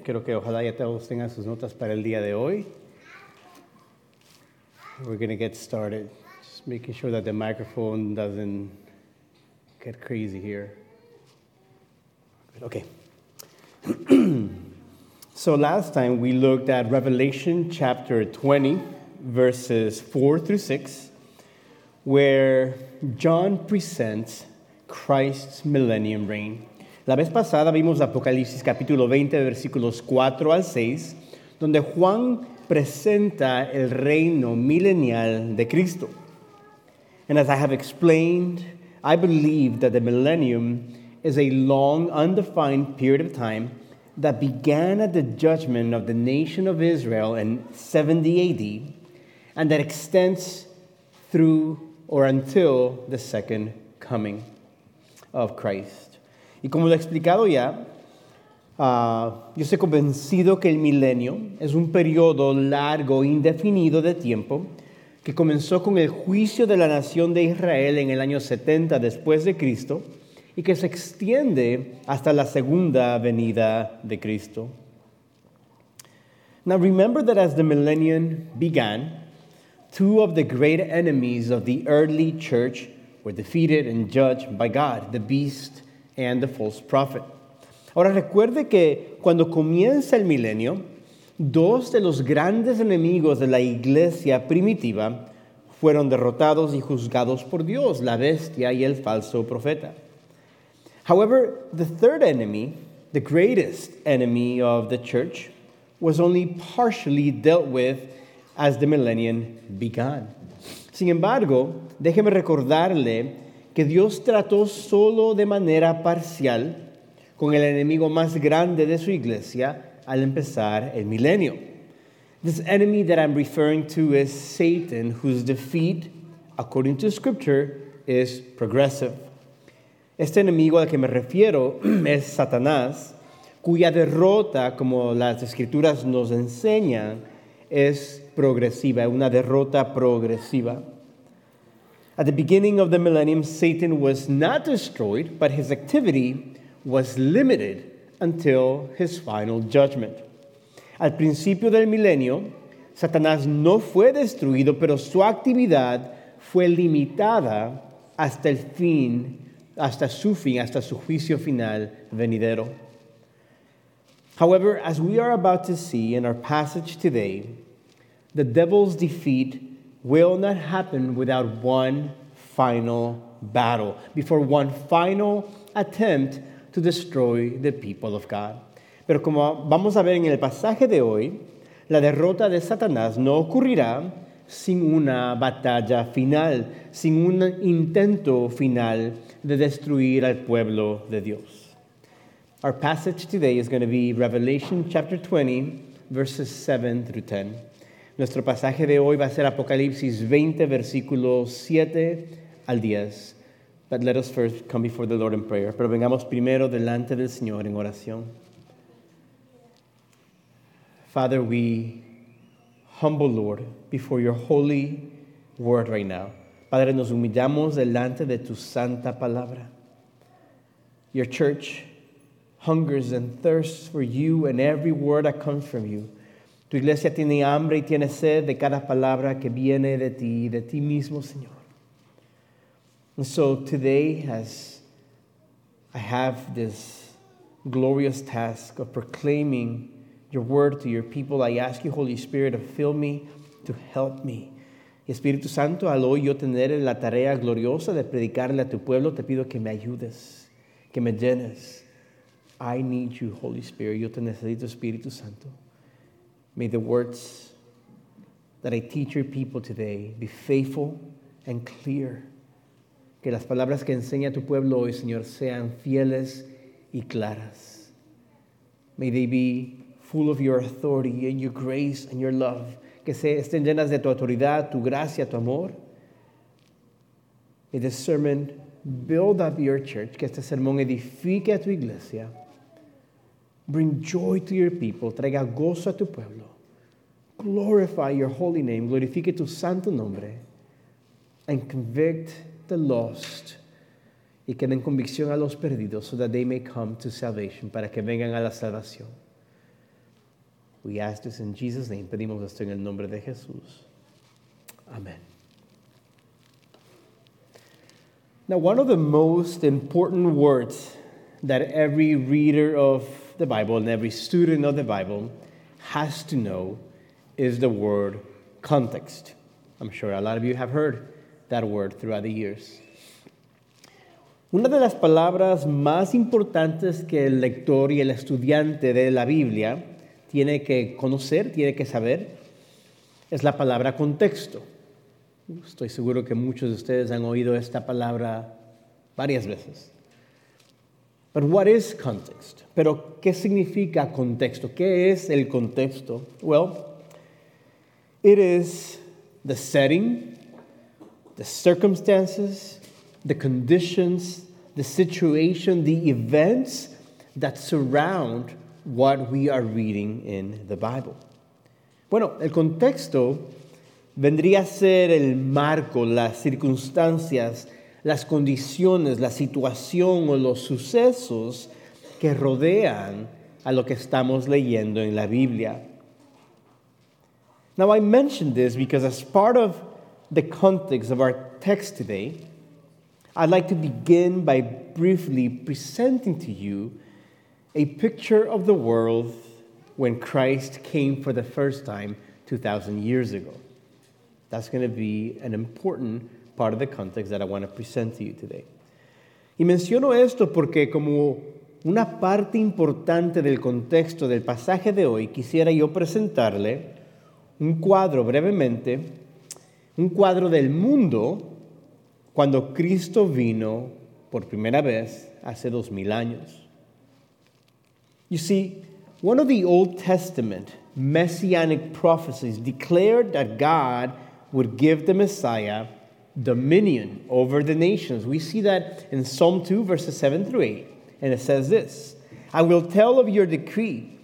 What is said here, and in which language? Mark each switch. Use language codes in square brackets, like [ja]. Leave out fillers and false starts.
[es] Creo que ojalá ya todos tengan sus notas para el día de hoy. [en] We're going to get started. Just making sure that the microphone doesn't get crazy here. Okay. So last time we looked at Revelation chapter 20, verses 4 through 6, where John presents Christ's millennium reign. [es] La vez pasada vimos Apocalipsis capítulo 20, versículos 4 al 6, donde Juan presenta el reino milenial de Cristo. [en] And as I have explained, I believe that the millennium is a long, undefined period of time that began at the judgment of the nation of Israel in 70 AD and that extends through or until the second coming of Christ. [es] Y como lo he explicado ya, yo estoy convencido que el milenio es un periodo largo, indefinido de tiempo que comenzó con el juicio de la nación de Israel en el año 70 después de Cristo y que se extiende hasta la segunda venida de Cristo. [en] Now remember that as the millennium began, two of the great enemies of the early church were defeated and judged by God, the beast and the false prophet. [es] Ahora recuerde que cuando comienza el milenio, dos de los grandes enemigos de la iglesia primitiva fueron derrotados y juzgados por Dios, la bestia y el falso profeta. [en] However, the third enemy, the greatest enemy of the church, was only partially dealt with as the millennium began. [es] Sin embargo, déjeme recordarle que Dios trató solo de manera parcial con el enemigo más grande de su iglesia al empezar el milenio. [en] This enemy that I'm referring to is Satan, whose defeat, according to Scripture, is progressive. [es] Este enemigo al que me refiero es Satanás, cuya derrota, como las Escrituras nos enseñan, es progresiva, una derrota progresiva. [en] At the beginning of the millennium, Satan was not destroyed, but his activity was limited until his final judgment. [es] Al principio del milenio, Satanás no fue destruido, pero su actividad fue limitada hasta el fin, hasta su fin, hasta su juicio final venidero. [en] However, as we are about to see in our passage today, the devil's defeat will not happen without one final battle, before one final attempt to destroy the people of God. [es] Pero como vamos a ver en el pasaje de hoy, la derrota de Satanás no ocurrirá sin una batalla final, sin un intento final de destruir al pueblo de Dios. [en] Our passage today is going to be Revelation chapter 20, verses 7 through 10. [es] Nuestro pasaje de hoy va a ser Apocalipsis 20, versículos 7 al 10. [en] But let us first come before the Lord in prayer. [es] Pero vengamos primero delante del Señor en oración. [en] Father, we humble, Lord, before your holy word right now. [es] Padre, nos humillamos delante de tu santa palabra. [en] Your church hungers and thirsts for you and every word that comes from you. [es] Tu iglesia tiene hambre y tiene sed de cada palabra que viene de ti mismo, Señor. [en] And so today, as I have this glorious task of proclaiming your word to your people, I ask you, Holy Spirit, to fill me, to help me. [es] Y Espíritu Santo, al hoy yo tener la tarea gloriosa de predicarle a tu pueblo, te pido que me ayudes, que me llenes. [en] I need you, Holy Spirit. [es] Yo te necesito, Espíritu Santo. [en] May the words that I teach your people today be faithful and clear. [es] Que las palabras que enseña tu pueblo hoy, Señor, sean fieles y claras. [en] May they be full of your authority and your grace and your love. [es] Que estén llenas de tu autoridad, tu gracia, tu amor. [en] May this sermon build up your church. [es] Que este sermón edifique a tu iglesia. [en] Bring joy to your people. [es] Traiga gozo a tu pueblo. [en] Glorify your holy name, [es] glorifique tu santo nombre, [en] and convict the lost. [es] y que den convicción a los perdidos, [en] so that they may come to salvation, [es] para que vengan a la salvación. [en] We ask this in Jesus' name. [es] Pedimos esto en el nombre de Jesús. Amen. [en] Now, one of the most important words that every reader of the Bible and every student of the Bible has to know is the word context. I'm sure a lot of you have heard that word throughout the years. [es] Una de las palabras más importantes que el lector y el estudiante de la Biblia tiene que conocer, tiene que saber, es la palabra contexto. Estoy seguro que muchos de ustedes han oído esta palabra varias veces. [en] But what is context? [es] ¿Pero qué significa contexto? ¿Qué es el contexto? [en] Well, it is the setting, the circumstances, the conditions, the situation, the events that surround what we are reading in the Bible. [es] Bueno, el contexto vendría a ser el marco, las circunstancias, las condiciones, la situación o los sucesos que rodean a lo que estamos leyendo en la Biblia. [en] Now, I mention this because as part of the context of our text today, I'd like to begin by briefly presenting to you a picture of the world when Christ came for the first time 2,000 years ago. That's going to be an important part of the context that I want to present to you today. [es] Y menciono esto porque como una parte importante del contexto del pasaje de hoy, quisiera yo presentarle un cuadro brevemente, un cuadro del mundo cuando Cristo vino por primera vez hace 2,000 años. [en] You see, one of the Old Testament messianic prophecies declared that God would give the Messiah dominion over the nations. We see that in Psalm 2, verses 7 through 8. And it says this, "I will tell of your decree.